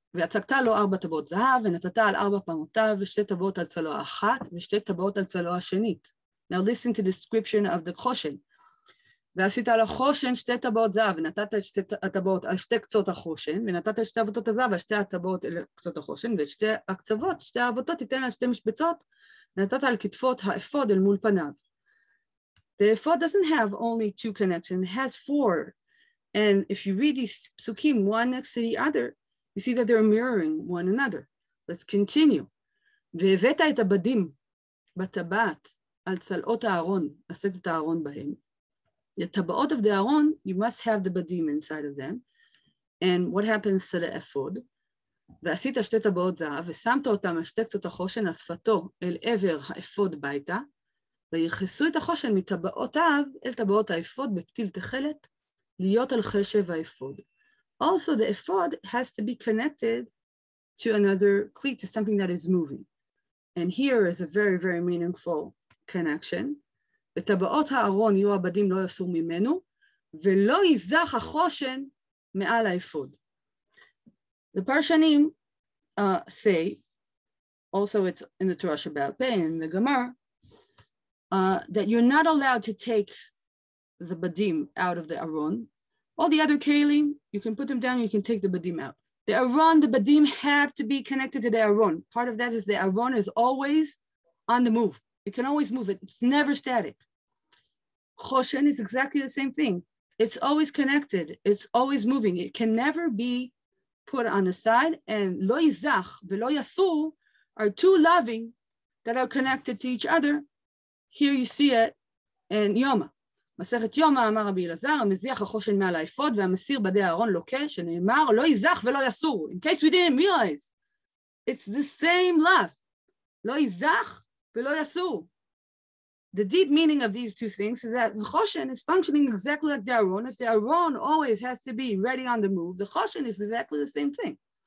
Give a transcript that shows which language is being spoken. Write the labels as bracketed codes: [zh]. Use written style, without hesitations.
[he] ויצקת לו ארבע טבעות זהב, ונתת על ארבע פעמותיו, ושתי טבעות על צלוע אחת, ושתי טבעות על צלוע שנית. [en] Now listen to the description of the חושן. [he] ועשית על החושן שתי טבעות זהב, ונתת את שתי הטבעות על שתי קצות החושן, ונתת את שתי אבותות הזהב, שתי הטבעות על קצות החושן, ואת שתי הקצוות, שתי האבותות, תיתן על שתי משבצות, ונתת על כתפות האפוד אל מול פניו. [en] The אפוד doesn't have only two connections, it has four. And if you read these פסוקים, one next to the other, you see that they're mirroring one another. Let's continue. [he] והבאת את הבדים בטבעת על צלעות הארון, עשית את הארון בהם. [en] The טבעות of the ארון, you must have the בדים inside of them. And what happens to the אפוד? [he] ועשית שתי טבעות זהב, ושמת אותם על שתי קצות החושן על שפתו אל עבר האפוד ביתה, ויחסו את החושן מטבעותיו אל טבעות האפוד בפתיל תכלת, להיות על חשב האפוד. [en] Also, the ephod has to be connected to another cleat, to something that is moving. And here is a very, very meaningful connection. [he] בטבעות הארון יהיו עבדים לא יסור ממנו, ולא יזח החושן מעל האפוד. [en] The parshanim say, also it's in the Torah Shabbat Pei, in the Gemara, that you're not allowed to take the badim out of the aron. All the other kelim, you can put them down, you can take the badim out. The aron, the badim have to be connected to the aron. Part of that is the aron is always on the move. It can always move it. It's never static. Choshen is exactly the same thing. It's always connected. It's always moving. It can never be put on the side. And [he] lo yizach velo yasur [en] are two loving that are connected to each other. Here you see it in Yoma. [he] מסכת יומא אמר רבי אלעזר, המזיח החושן מעל האפוד, והמסיר בדי אהרון לוקה, שנאמר, לא יזח ולא יסור. [en] In case we didn't realize, it's the same love. [he] לא יזח ולא יסור. [en] The deep meaning of these two things is that the חושן is functioning exactly like the אהרון. If the אהרון always has to be ready on the move, the חושן is exactly the same thing.